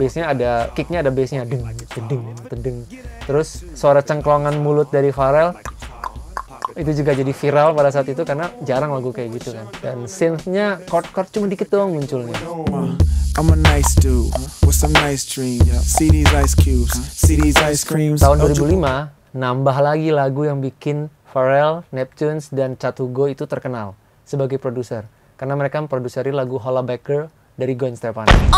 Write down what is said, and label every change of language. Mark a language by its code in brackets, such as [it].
[id] Bassnya ada, kicknya ada bassnya, deng. Terus suara cengklongan mulut dari Pharrell itu juga jadi viral pada saat itu karena jarang lagu kayak gitu kan. Dan synth-nya chord-chord cuma dikit doang munculnya. [en] I'm a nice dude with some nice dream. See these ice cubes, see these ice creams. [id] Tahun 2005 nambah lagi lagu yang bikin Pharrell, Neptunes dan Chatuko itu terkenal sebagai produser karena mereka memproduseri lagu Holla Back Girl dari Gwen Stefani.